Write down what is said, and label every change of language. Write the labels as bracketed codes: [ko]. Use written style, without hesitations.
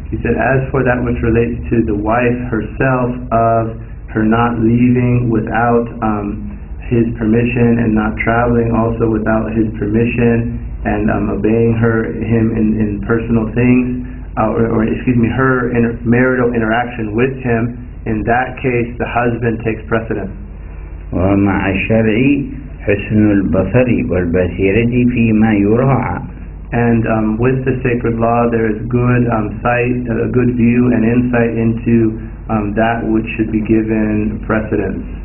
[en] He said, as for that which relates to the wife herself, of her not leaving without his permission and not traveling also without his permission and obeying him in personal things, her marital interaction with him, in that case, the husband takes precedence. [ar] ومع الشرع حسن البصر والبصيرة فيما يراعى. [en] And with the sacred law, there is good sight, a good view and insight into that which should be given precedence.